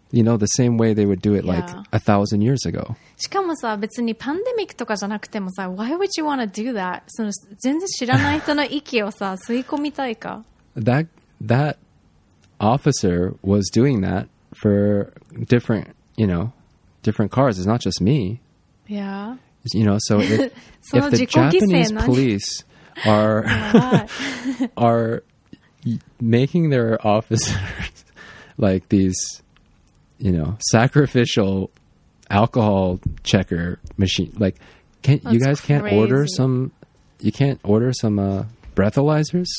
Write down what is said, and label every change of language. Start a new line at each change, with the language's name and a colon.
English: You know, the same way they would do it like a thousand years ago.
Japanese: しかもさ、別にパンデミックとかじゃなくてもさ、
English: Why would you want to do that?
Japanese: その全然知らない人の息をさ、吸い込みたいか。
English: That officer was doing that for different cars. It's not just me. Yeah. You know, so if the Japanese police are making their officers like these, you know, sacrificial alcohol checker machine, like, can't you order some breathalyzers?